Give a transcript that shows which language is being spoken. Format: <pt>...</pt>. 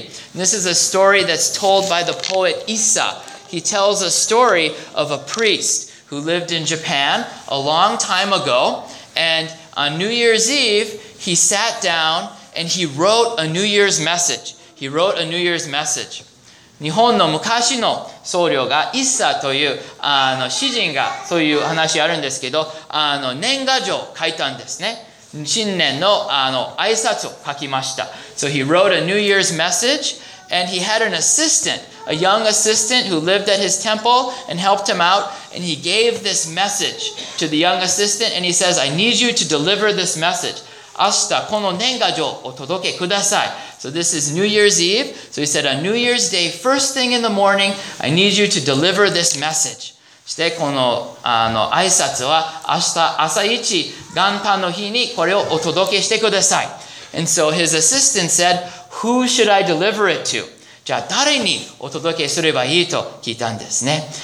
<en>And this is a story that's told by the poet Issa. He tells a story of a priest who lived in Japan a long time ago. And on New Year's Eve, he sat down and he wrote a New Year's message. He wrote a New Year's message.</en> <ja>日本の昔の僧侶がイッサという詩人がそういう話あるんですけど年賀状を書いたんですね。新年の挨拶を書きました。</ja> <en>So he wrote a New Year's message and he had an assistant, a young assistant who lived at his temple and helped him out and he gave this message to the young assistant and he says, I need you to deliver this message.</en> <ja>明日この年賀状を届けください。</ja> <en>So this is New Year's Eve. So he said, on New Year's Day, first thing in the morning, I need you to deliver this message.</en> <ja>そしてこの挨拶は明日朝一元旦の日にこれをお届けしてください。</ja> <en>And so his assistant said, who should I deliver it to?</en> <ja>じゃあ誰にお届けすればいいと聞いたんですね。</ja>